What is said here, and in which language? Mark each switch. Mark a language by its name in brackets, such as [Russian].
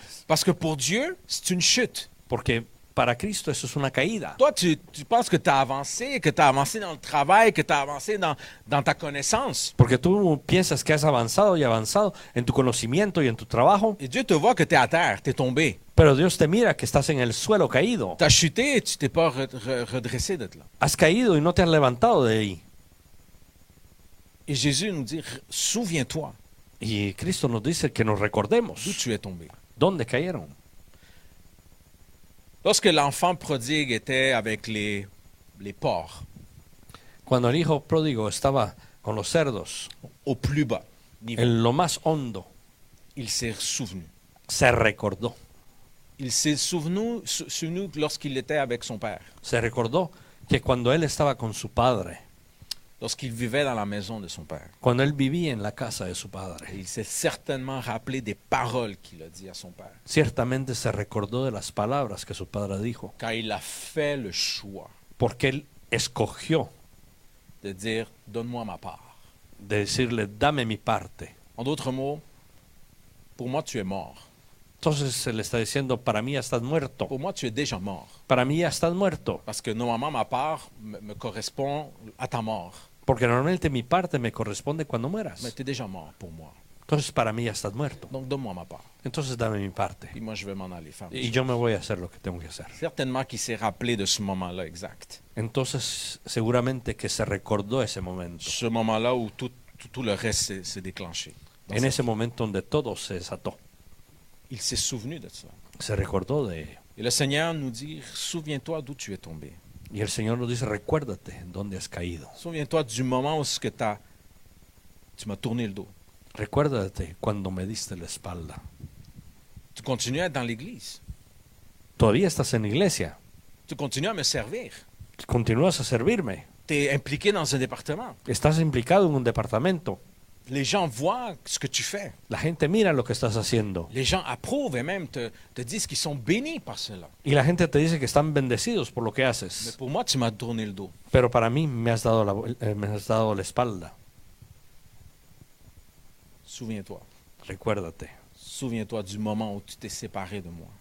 [French] Parce que pour Dieu, c'est une chute. [Spanish] Porque para Cristo eso es una caída. [French] Toi, tu penses que tu as avancé, que tu as avancé dans le travail, que tu as avancé dans ta connaissance. [Spanish] Porque tú piensas que has avanzado y avanzado en tu conocimiento y en tu trabajo. [French] Et Dieu te voit que tu es à terre, tu es tombé. [Spanish] Pero Dios te mira que estás en el suelo caído. [French] Tu as chuté et tu t'es pas redressé de là. [Spanish] Has caído y no te has levantado de ahí. [French] Et Jésus nous dit, souviens-toi. [Spanish] Y Cristo nos dice que nos recordemos. [French] D'où tu es tombé. [Spanish] ¿Dónde cayeron? [French] Lorsque l'enfant prodigue était avec les porcs. [Spanish] Cuando el hijo pródigo estaba con los cerdos. [French] Au plus bas niveau. [Spanish] En lo más hondo. [French] Il s'est souvenu. [Spanish] Se recordó. [French] Il s'est souvenu lorsqu'il était avec son père. [Spanish] Se recordó que cuando él estaba con su padre. [French] Lorsqu'il vivait dans la maison de son père. [Spanish] Cuando él vivía en la casa de su padre. [French] Il s'est certainement rappelé des paroles qu'il a dit à son père. [Spanish] Ciertamente se recordó de las palabras que su padre dijo. [French] Car il a fait le choix. [Spanish] Porque él escogió. [French] De dire, donne-moi ma part. [Spanish] De decirle, dame mi parte. [French] En d'autres mots, pour moi tu es mort. [Spanish] Entonces se le está diciendo, para mí ya estás muerto. [French] Pour moi, tu es déjà mort. [Spanish] Para mí ya estás muerto. [French] Parce que normalement, ma part me correspond à ta mort. [Spanish] Porque normalmente mi parte me corresponde cuando mueras. [French] Mais tu es déjà mort pour moi. [Spanish] Entonces para mí ya estás muerto. [French] Donc, donne-moi ma part. [Spanish] Entonces dame mi parte. [French] Et moi, je vais m'en aller faire [Spanish] y yo me voy a hacer lo que tengo que hacer. [French] Certainement qu'il s'est rappelé de ce moment-là exact. [Spanish] Entonces seguramente que se recordó ese momento. [French] Ce moment-là où tout le reste s'est déclenché. [Spanish] En ese momento donde todo se desató. [French] Il s'est souvenu de ça. [Spanish] Se recordó de. [French] Et le Seigneur nous dit, souviens-toi d'où tu es tombé. [Spanish] Y el Señor nos dice, recuérdate dónde has caído. [French] Souviens-toi du moment où que tu m'as tourné le dos. [Spanish] Recuérdate cuando me diste la espalda. [French] Tu continues à être dans l'église. [Spanish] Todavía estás en la iglesia. Tu continúas a me servir. Continúas a servirme. [French] Tu es [Spanish] implicado en un departamento. Estás implicado en un departamento. [French] Les gens voient ce que tu fais. [Spanish] La gente mira lo que estás haciendo. [French] Les gens approuvent et même te disent qu'ils sont bénis par cela. [Spanish] Y la gente te dice que están bendecidos por lo que haces. [French] Mais pour moi, tu m'as tourné le dos. [Spanish] Pero para mí me has dado la espalda. [French] Souviens-toi. [Spanish] Recuérdate. [French] Souviens-toi du moment où tu t'es séparé de moi.